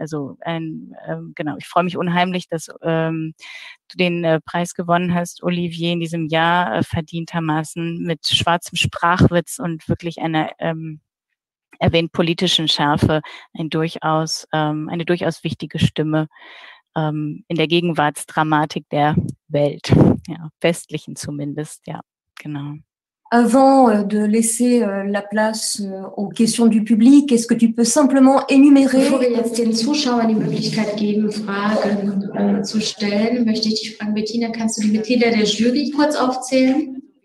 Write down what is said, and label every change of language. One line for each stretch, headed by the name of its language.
German: Also ich freue mich unheimlich, dass du den Preis gewonnen hast, Olivier, in diesem Jahr verdientermaßen mit schwarzem Sprachwitz und wirklich einer erwähnt politischen Schärfe eine durchaus wichtige Stimme in der Gegenwartsdramatik der Welt, ja, westlichen zumindest, ja, genau.
French: Avant de laisser la place aux questions du public, est-ce que tu peux simplement énumérer...
German: Bevor wir jetzt den Zuschauern die Möglichkeit geben, Fragen zu stellen, möchte ich dich fragen, Bettina, kannst du die Mitglieder der Jury kurz aufzählen?